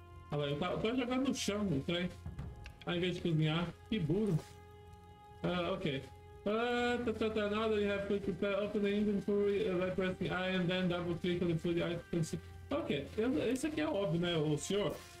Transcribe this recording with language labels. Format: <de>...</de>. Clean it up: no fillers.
<pt>Olha lá, eu tô jogando no chão, no trem. Ao invés de cozinhar. Que burro. Ok.</pt> <en>Now that you have food prepared, open the inventory by pressing I and then double click on the food item.</en> <pt>Ok, esse aqui é óbvio, né, o senhor?</pt>